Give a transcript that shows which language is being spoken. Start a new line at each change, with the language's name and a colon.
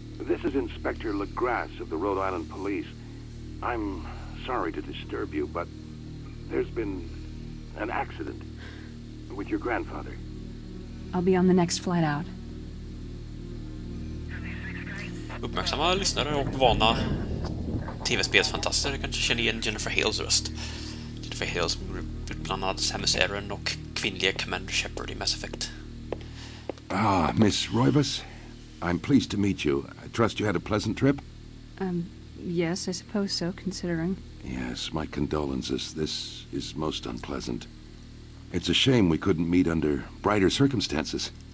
English: This is Inspector LeGrasse of the Rhode Island Police. I'm sorry to disturb you, but there's been an accident with your grandfather. I'll be on the next flight out.
Swedish: Uppmärksamma lyssnare och vana tv-spelsfantaster kanske känner igen Jennifer Hales röst. Jennifer Hales gjorde bland annat Samus Aran och kvinnliga Commander Shepard i Mass Effect.
English: Ah, Miss Roivas, I'm pleased to meet you. I trust you had a pleasant trip? Yes, I suppose so, considering. Yes, my condolences. This is most unpleasant. It's a shame we couldn't meet under brighter circumstances.